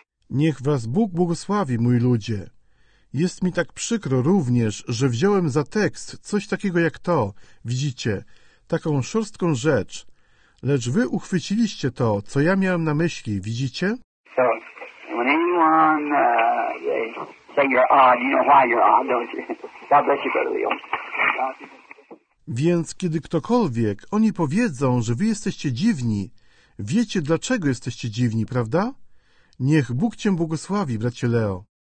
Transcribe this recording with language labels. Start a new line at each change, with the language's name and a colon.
Polish: Niech was Bóg błogosławi, mój ludzie. Jest mi tak przykro również, że wziąłem za tekst coś takiego jak to, widzicie, taką szorstką rzecz, lecz wy uchwyciliście to, co ja miałem na myśli, widzicie?
English: So, when anyone say you're odd, you know why you're odd, don't you? God bless you, Brother Leo.
Polish: Więc kiedy ktokolwiek, oni powiedzą, że wy jesteście dziwni, wiecie dlaczego jesteście dziwni, prawda? Niech Bóg cię błogosławi, bracie Leo.